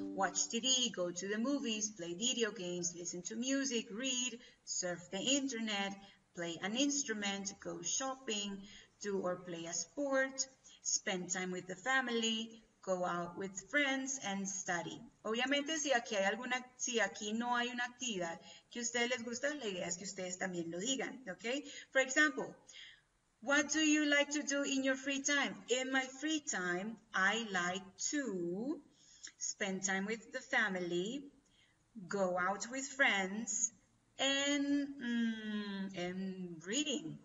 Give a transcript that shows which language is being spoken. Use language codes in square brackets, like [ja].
[en] Watch TV, go to the movies, play video games, listen to music, read, surf the internet, play an instrument, go shopping, do or play a sport, spend time with the family, go out with friends, and study. [es] Obviamente, si aquí no hay una actividad que a ustedes les gusta, la idea es que ustedes también lo digan, ¿ok? [en] For example, what do you like to do in your free time? In my free time, I like to spend time with the family, go out with friends, and reading.